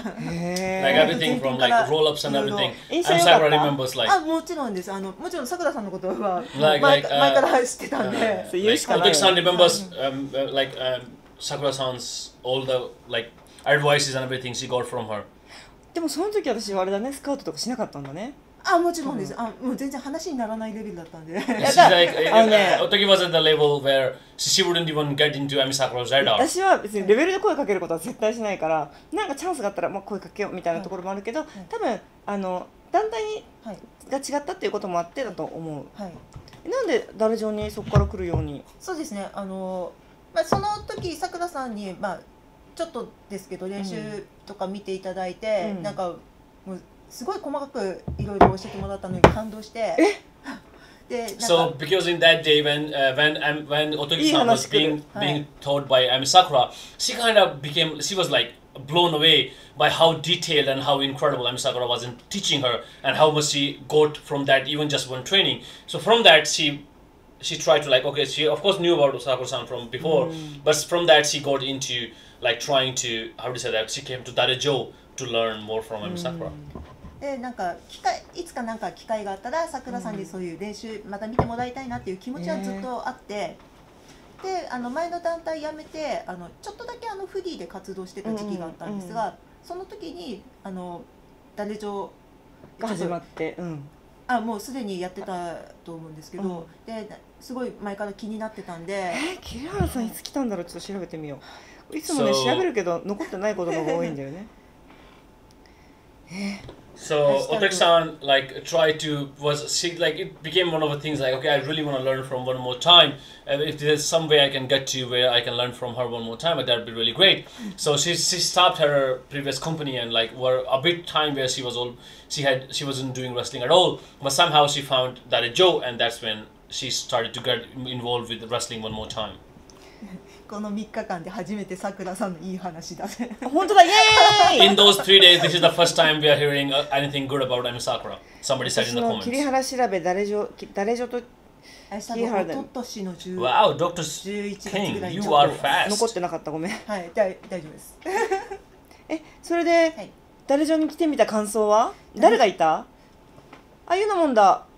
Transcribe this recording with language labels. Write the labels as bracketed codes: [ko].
[en] Like everything from like roll ups and everything. I'm Sakura remembers like. [ja] あもちろんです。あのもちろん桜さんのことは前から知ってたんで。 [en] Otaki-san remembers like Sakura-san's all the like advices and everything she got from her. [ja] でもその時私あれだね、スカウトとかしなかったんだね。あもちろんです。あもう全然話にならないレベルだったんで。 [en] She's like Otaki was at the level where. She wouldn't even get into Ami Sakura's radar. [ja] 私は別にレベルで声かけることは絶対しないから、なんかチャンスがあったらまあ声かけようみたいなところもあるけど、はい、多分あの団体にが違ったっていうこともあってだと思う。はい、なんでダルジョンにそこから来るように。そうですね。あのまあその時さくらさんにまあちょっとですけど練習とか見ていただいて、うん、なんかもうすごい細かくいろいろ教えてもらったのに感動して。え [en] So because in that day when Otogi-san was being told by Ami Sakura, she kind of became, she was like blown away by how detailed and how incredible Ami Sakura was in teaching her and how much she got from that, even just one training. So from that she tried to like, okay, she of course knew about Sakura-san from before, but from that she got into like trying to, how do you say that, she came to Darajo to learn more from Ami Sakura. [ja] でなんか機会いつかなんか機会があったらさくらさんにそういう練習また見てもらいたいなっていう気持ちはずっとあって、であの前の団体辞めてあのちょっとだけあのフリーで活動してた時期があったんですが、その時にあのダレジョが始まって、あもうすでにやってたと思うんですけど、ですごい前から気になってたんで、キリハラさんいつ来たんだろう、ちょっと調べてみよう。いつもね調べるけど残ってないことが多いんだよね。 [en] So Otaki-san like tried to was she like it became one of the things like, okay, I really want to learn from one more time, and if there's some way I can get to where I can learn from her one more time, that'd be really great. So she stopped her previous company and like were a bit time where she was all she had, she wasn't doing wrestling at all, but somehow she found that a joke and that's when she started to get involved with wrestling one more time. [ja] この3日間で初めてさくらさんのいい話だぜ。本当だ、イエーイ。 [en] In those three days, this is the first time we are hearing anything good about Ami Sakura. Somebody said in the comments. [ja] 私の桐原調べ、誰じょと桐原だよ。一昨年の10、 [en] wow, Dr. [ja] 11月ぐらいに [en] you are fast. [ja] 残ってなかった、ごめん。はい、大丈夫です。それで、はい、誰じょに来てみた感想は誰がいた、あ、ゆうなもんだ。